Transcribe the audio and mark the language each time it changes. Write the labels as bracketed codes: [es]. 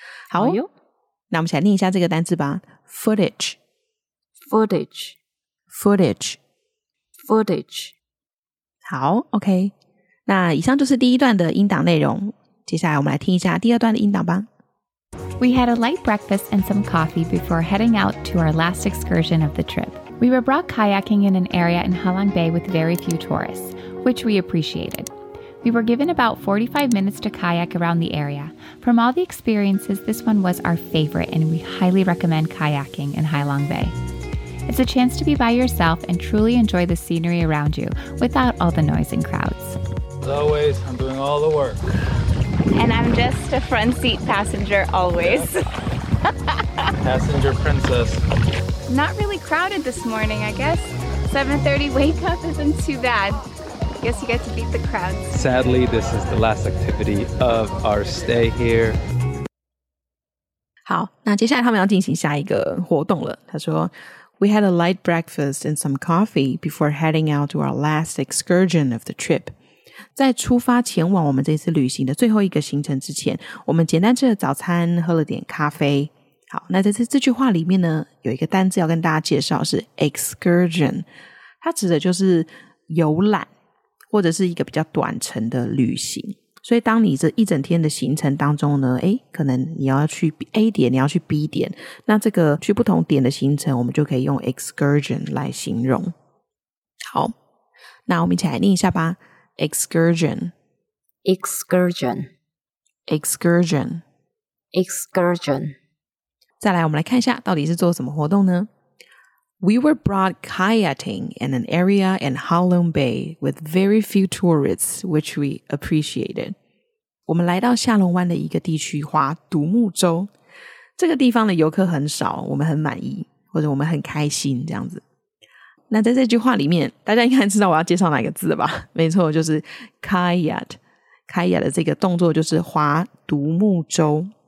[zh] 好，那我们起来念一下这个单字吧。 [en] Footage Footage Footage Footage。 [zh] 好， OK， 那以上就是第一段的音档内容，接下来我们来听一下第二段的音档吧。 [en] We had a light breakfast and some coffee before heading out to our last excursion of the trip. We were brought kayaking in an area in Halong Bay with very few tourists, which we appreciated. We were given about 45 minutes to kayak around the area. From all the experiences, this one was our favorite, and we highly recommend kayaking in Halong Bay. It's a chance to be by yourself and truly enjoy the scenery around you without all the noise and crowds. As always, I'm doing all the work. And I'm just a front seat passenger always. Passenger princess. Not really crowded this morning, I guess. 7:30 wake up isn't too bad. I guess you get to beat the crowds. Sadly, this is the last activity of our stay here. [zh] 好，那接下来他们要进行下一个活动了。他说 [en] We had a light breakfast and some coffee before heading out to our last excursion of the trip. [zh] 在出发前往我们这次旅行的最后一个行程之前，我们简单吃了早餐，喝了点咖啡。好，那在这句话里面呢，有一个单字要跟大家介绍是 excursion， 它指的就是游览或者是一个比较短程的旅行。所以当你这一整天的行程当中呢，诶，可能你要去 A 点，你要去 B 点，那这个去不同点的行程我们就可以用 excursion 来形容。好，那我们一起来念一下吧。 [en] Excursion, excursion, excursion, excursion. [zh] 再来，我们来看一下到底是做什么活动呢？ [en] We were brought kayaking in an area in Halong Bay with very few tourists, which we appreciated. [zh] 我们来到下龙湾的一个地区，划独木舟。这个地方的游客很少，我们很满意，或者我们很开心，这样子。那在这句话里面，大家应该知道我要介绍哪个字吧？没错，就是 kayak。 kayak 的这个动作就是划独木舟。